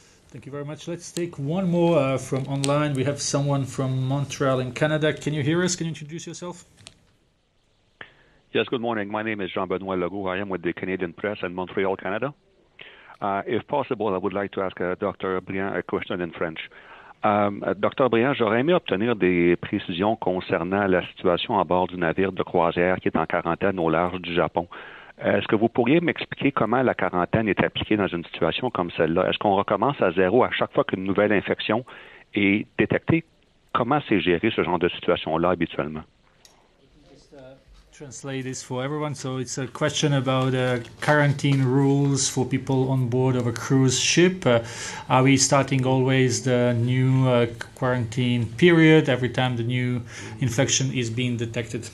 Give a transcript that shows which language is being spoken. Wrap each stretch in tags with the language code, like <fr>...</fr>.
<en>Thank you very much. Let's take one more from online. We have someone from Montreal in Canada. Can you hear us? Can you introduce yourself? Yes, good morning. My name is Jean-Benoît Legault. I am with the Canadian Press in Montreal, Canada. If possible, I would like to ask Dr. Brien a question in French. Dr.</en> <fr>Brien, j'aurais aimé obtenir des précisions concernant la situation à bord du navire de croisière qui est en quarantaine au large du Japon. Est-ce que vous pourriez m'expliquer comment la quarantaine est appliquée dans une situation comme celle-là? Est-ce qu'on recommence à zéro à chaque fois qu'une nouvelle infection est détectée? Comment c'est géré ce genre de situation-là habituellement?</fr> <en>Translate this for everyone. So it's a question about quarantine rules for people on board of a cruise ship. Are we starting always the new quarantine period every time the new infection is being detected?</en>